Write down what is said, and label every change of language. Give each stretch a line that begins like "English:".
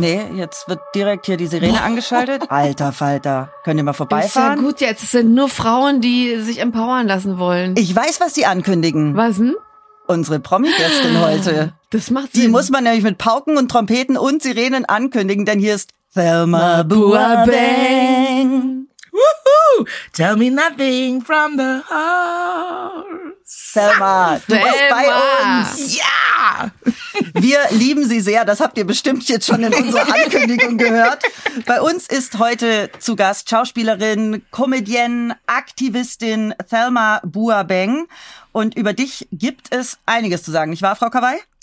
German: Nee, jetzt wird direkt hier die Sirene angeschaltet. Alter Falter, könnt ihr mal vorbeifahren? Ist ja gut jetzt, es sind nur Frauen, die sich empowern lassen wollen. Ich weiß, was sie ankündigen. Was denn? Unsere Promi-Gästin heute. Das macht Sinn. Die muss man nämlich mit Pauken und Trompeten und Sirenen ankündigen, denn hier ist Thelma Boabeng. Woohoo!
English: Tell me nothing from the house.
German: Thelma, du bist bei uns. Ja! Wir lieben sie sehr, das habt ihr bestimmt jetzt schon in unserer Ankündigung gehört. Bei uns ist heute zu Gast Schauspielerin, Comedienne, Aktivistin Thelma Boabeng. Und über dich gibt es einiges zu sagen, nicht wahr, Frau Kawai?